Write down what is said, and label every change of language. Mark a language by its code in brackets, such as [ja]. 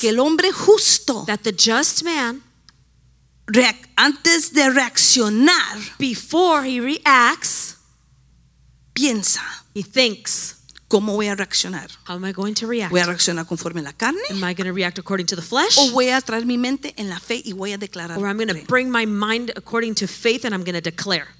[es] que el hombre justo, [en] that the just man, [es] antes de reaccionar, [en] before he reacts, [es] piensa. [en] He thinks. [es] ¿Cómo voy a reaccionar? [en] How am I going to react? [es] ¿Voy a reaccionar conforme a la carne? [en] Am I going to react according to the flesh? [es] ¿O voy a traer mi mente en la fe y voy a declarar? [en] Or I'm going to bring my mind according to faith and I'm going to declare.